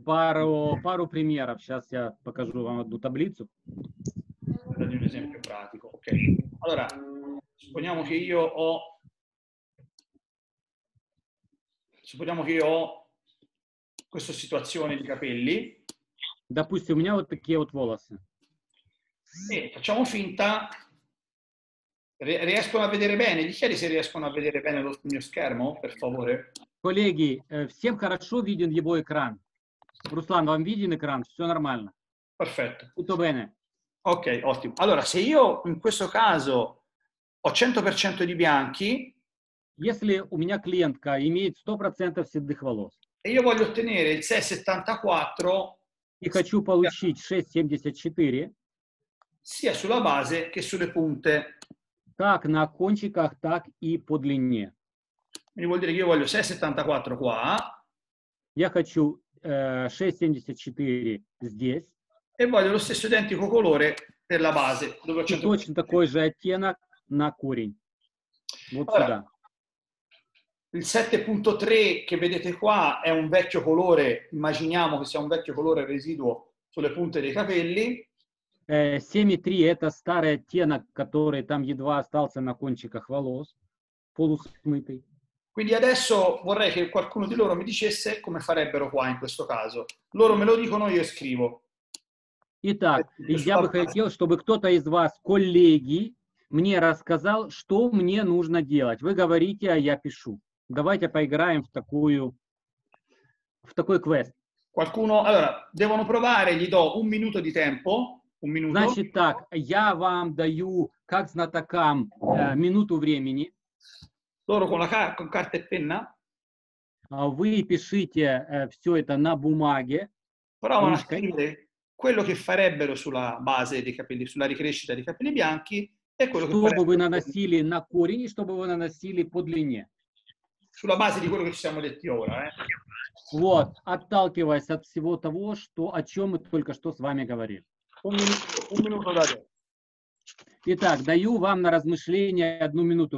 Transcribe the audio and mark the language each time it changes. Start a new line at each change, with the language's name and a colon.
Russian: paro примеров, сейчас я покажу вам одну таблицу.
Italian: Dargli un esempio pratico, ok. Allora, supponiamo che io ho... Supponiamo che io ho questa situazione di capelli.
Russian: Допустим, у меня вот такие вот волосы.
Italian: E facciamo finta... Riescono a vedere bene? Gli chiedi se riescono a vedere bene lo mio schermo, per favore?
Russian: Colleghi, всем хорошо виден его экран? Руслан, вам виден экран? Все нормально.
Italian: Perfetto. Tutto bene. Ok, ottimo. Allora, se io in questo caso ho 100% di bianchi,
Russian: если у меня клиентка имеет 100% седых волос.
Italian: E io voglio ottenere il 674
Russian: и хочу получить 674
Italian: sia sulla base che sulle punte.
Russian: Так на кончиках, так и по длине.
Italian: Quindi vuol dire che io voglio 674 qua.
Russian: Я хочу 674 здесь.
Italian: E voglio lo stesso identico colore per la base. Dove c'è
Russian: точно такой же оттенок на корень. Вот сюда.
Italian: Il 7.3 che vedete qua è un vecchio colore, immaginiamo che sia un vecchio colore residuo sulle punte dei capelli.
Russian: 7.3
Italian: è un
Russian: старый оттенок, который там едва остался на кончиках волос, полусмытый.
Italian: Quindi adesso vorrei che qualcuno di loro mi dicesse come farebbero qua in questo caso. Loro me lo dicono, io scrivo.
Russian: Итак, я бы хотел, чтобы кто-то из вас, коллеги, мне рассказал, что мне нужно делать. Вы говорите, а я пишу. Давайте поиграем в такой квест.
Italian: Qualcuno, allora, devono provare, gli do un minuto di tempo. Un minuto.
Russian: Значит так, я вам даю, как знатокам, минуту времени.
Italian: Loro con carta e penna.
Russian: Вы пишите все это на бумаге.
Italian: Provano a scrivere quello che farebbero sulla base dei capelli, sulla ricrescita dei capelli bianchi e quello che farebbero.
Russian: Чтобы вы наносили на корень, чтобы вы наносили по длине.
Italian: Sulla base di quello che ci siamo detti ora, eh.
Russian: Вот, отталкиваясь от всего того, что о чем мы только что с вами говорили.
Italian: Un minuto da adesso.
Russian: Итак, даю вам на размышление одну минуту.